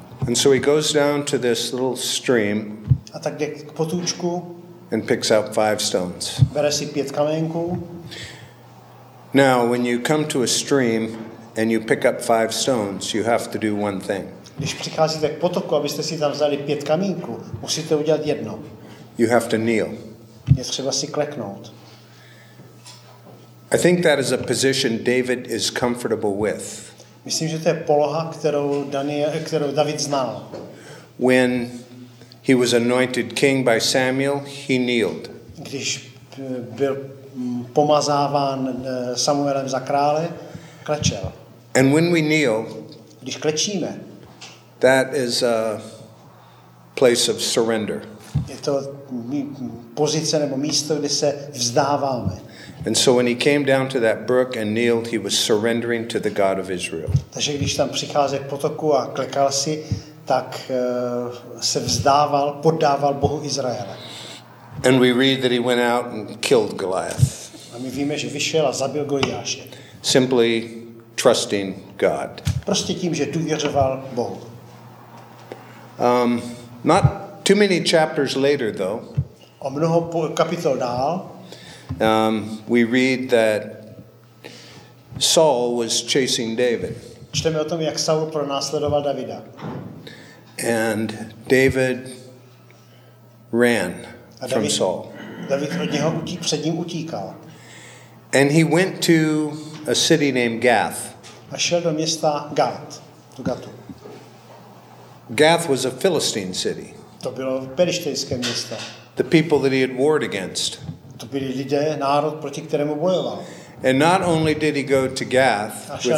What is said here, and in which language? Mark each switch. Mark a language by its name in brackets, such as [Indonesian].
[English] And so he goes down to this little stream. [Czech] A tak jde k potůčku. [English] And picks out 5 stones. [Czech] Bere si 5 kamenků. [English] Now, when you come to a stream and you pick up 5 stones, you have to do one thing. [Czech] Když přicházíte k potoku, abyste si tam vzali 5 kamínků, musíte udělat jedno. [English] You have to kneel. [Czech] Je třeba si kleknout. [English] I think that is a position David is comfortable with. [Czech] Myslím, že to je poloha, kterou David znal. [English] When he was anointed king by Samuel, he kneeled. [Czech] Když byl pomazáván Samuelem za krále, klečel. [English] And when we kneel, [Czech] když klečíme, [English] that is a place of surrender. [Czech] Je to pozice nebo místo, kde se vzdáváme. [English] And so when he came down to that brook and kneeled, he was surrendering to the God of Israel. [Czech] Takže když tam přicházel k potoku a klekal si, tak se vzdával, poddával Bohu Izraele. [English] And we read that he went out and killed Goliath. [Czech] A my víme, že vyšel a zabil Goliáše. [English] Simply trusting God. [Czech] Prostě tím, že důvěřoval Bohu. [English] Not too many chapters later, though. [Czech] O mnoho kapitol dál. [English] We read that Saul was chasing David. [Czech] Čteme o tom, jak Saul pronásledoval Davida. [English] And David ran from Saul. [Czech] David od něho před ním utíkal. [English] And he went to a city named Gath. [Czech] A šel do města Gath, do Gathu. [English] Gath was a Philistine city. [Czech] To bylo perištejské město. [English] The people that he had warred against. [Czech] To byli lidé, národ, proti kterému bojoval. [English] And not only did he go to Gath